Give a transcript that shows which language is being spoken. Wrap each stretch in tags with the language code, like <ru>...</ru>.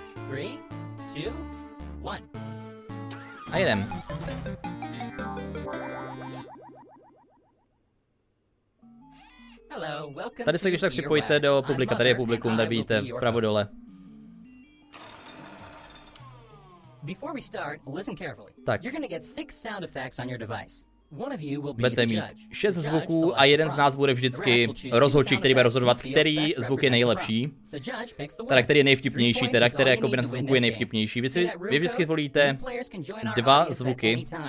<en>3, 2, 1.</en> <cs>A jedem. Tady se když tak připojíte do publika, tady je publikum, tady vidíte, vpravo dole.</cs> <en>Before we start, listen carefully.</en> <cs>Tak.</cs> <en>You're gonna get 6 sound effects on your device. One of you will be</en> <cs>budete mít 6 zvuků a jeden z nás bude vždycky rozhodčí, který bude rozhodovat, který zvuk je nejlepší. Teda, který je nejvtipnější, teda, který jako by na zvuku je nejvtipnější. Vy vždycky volíte 2 zvuky.</cs>